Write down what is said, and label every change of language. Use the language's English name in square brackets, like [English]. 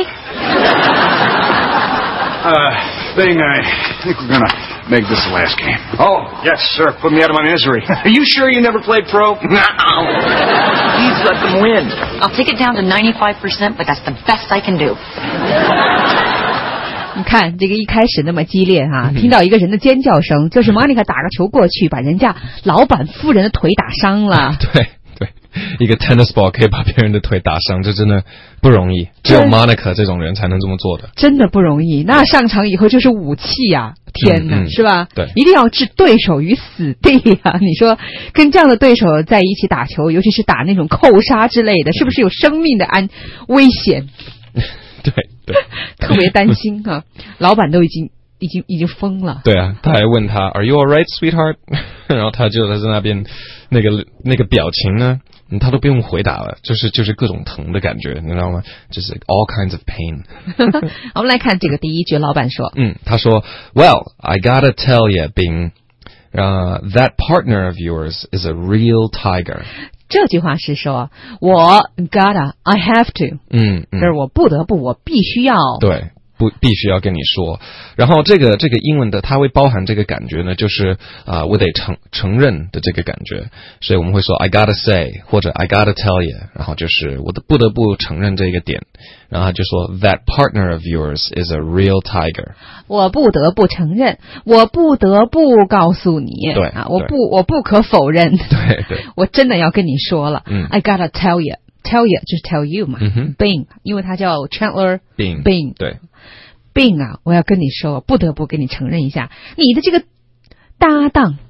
[English] Bing, I think we're going to make this the last game. Oh, yes, sir. Put me out of my misery. Are you sure you never played pro? No. Please let them win. I'll take it down to 95%, but that's the best I can do. [Chinese] 你看这个一开始那么激烈啊，听到一个人的尖叫声，就是 Monica 打个球过去把人家老板夫人的腿打伤了。对对，一个 [English] tennis ball [Chinese] 可以把别人的腿打伤，这真的不容易，只有 Monica 这种人才能这么做的。真的不容易，那上场以后就是武器啊，天哪，是吧？对，一定要置对手于死地啊！你说跟这样的对手在一起打球，尤其是打那种扣杀之类的，是不是有生命的危险？对对，特别担心啊！老板都已经疯了。对啊，他还问他 [English] Are you alright, sweetheart？ [Chinese] 然后他就在那边那个表情呢，他都不用回答了，就是各种疼的感觉，你知道吗？就是 [English] all kinds of pain。 [Chinese] 我们来看这个第一句，老板说，他说 [English] Well, I gotta tell you, Bing, That partner of yours is a real tiger. [Chinese] 这句话是说我 [English] gotta, I have to. 嗯， [Chinese] 就是我不得不，我必须要。对，不必须要跟你说。然后这个英文的它会包含这个感觉呢，就是我得承认的这个感觉。所以我们会说 [English] I gotta say, [Chinese] 或者 [English] I gotta tell you, [Chinese] 然后就是我的不得不承认这个点。然后就说 [English] That partner of yours is a real tiger. [Chinese] 我不得不承认，我不得不告诉你。对。我不可否认。对。我真的要跟你说了。嗯、 [English] I gotta tell you. Tell you [Chinese] 就是 [English] tell you [Chinese] 嘛、 mm-hmm. Bing 因为他叫 Chandler Bing 对 Bing 啊我要跟你说不得不跟你承认一下你的这个搭档、